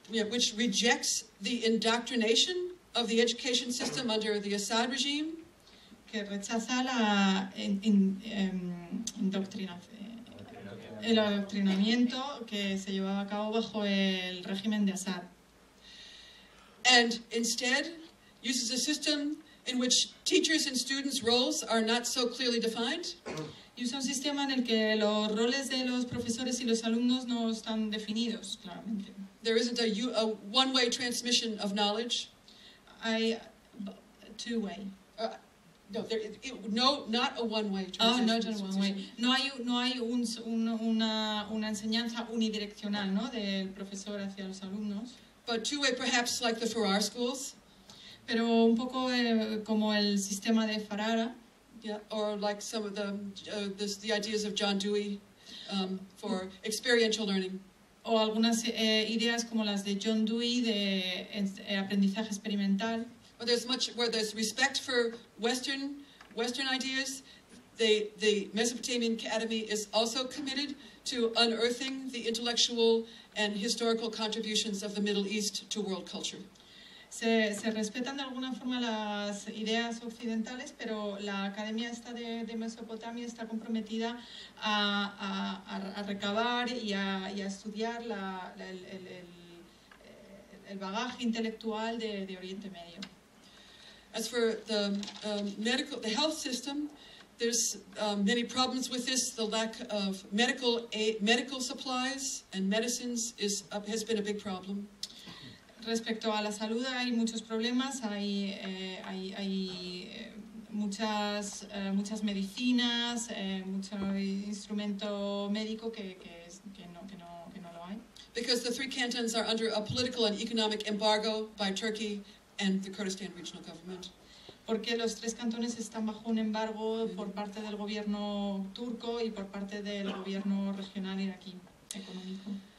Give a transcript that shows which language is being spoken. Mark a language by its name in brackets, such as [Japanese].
[English] which rejects the indoctrination of the education system under the Assad regime. [Spanish] Que rechaza la el adoctrinamiento que se llevaba a cabo bajo el régimen de Assad. [English] And instead uses a system in which teachers and students' roles are not so clearly defined. [Spanish] Y usa un sistema en el que los roles de los profesores y los alumnos no están definidos claramente. [English] There isn't a one-way transmission of knowledge. Two-way. Not a one-way transmission. Oh, not a one-way. [Spanish] No hay una enseñanza unidireccional, ¿no? Del profesor hacia los alumnos. [English] But two-way, perhaps, like the Farrar schools. [Spanish] Pero un poco como el sistema de Farrara. [English] Yeah, or like some of the ideas of John Dewey for experiential learning. [Spanish] O algunas ideas como las de John Dewey de aprendizaje experimental. [English] Where there's much, where there's respect for Western ideas, the Mesopotamian Academy is also committed to unearthing the intellectual and historical contributions of the Middle East to world culture. [Spanish] Se respetan de alguna forma las ideas occidentales, pero la academia esta de Mesopotamia está comprometida a recabar y a estudiar el bagaje intelectual de Oriente Medio. [English] As for the medical, the health system, there's many problems with this. The lack of medical medical supplies and medicines is has been a big problem. [Spanish] Respecto a la salud, hay muchos problemas. Hay muchas medicinas, mucho instrumento médico que no lo hay. [English] Because the three cantons are under a political and economic embargo by Turkey and the Kurdistan Regional Government. [Spanish] Porque los tres cantones están bajo un embargo por parte del gobierno turco y por parte del gobierno regional iraquí económico.